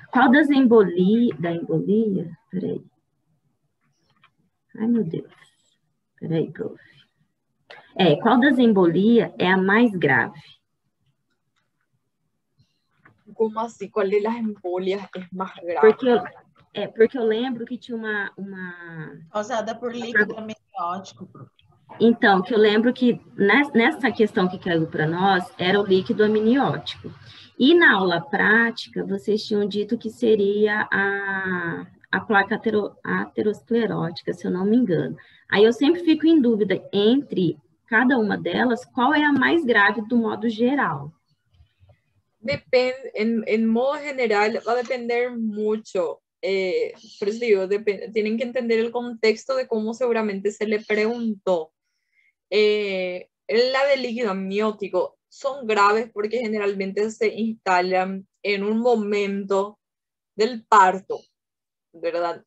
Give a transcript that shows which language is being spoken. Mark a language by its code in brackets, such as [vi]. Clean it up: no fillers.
[pt] Qual das embolia? Peraí. Ai, meu Deus. Peraí, prof. É, qual das embolia é a mais grave? Como assim? Qual é das embolias é mais grave? Porque eu lembro que tinha uma... causada por líquido amniótico. Então, que eu lembro que nessa questão que caiu para nós, era o líquido amniótico. E na aula prática, vocês tinham dito que seria a placa aterosclerótica, se eu não me engano. Aí eu sempre fico em dúvida entre cada uma delas, qual é a mais grave do modo geral. [es] Depende, en modo general va a depender mucho, por eso digo, tienen que entender el contexto de cómo seguramente se le preguntó. La de líquido amniótico son graves porque generalmente se instalan en un momento del parto, ¿verdad?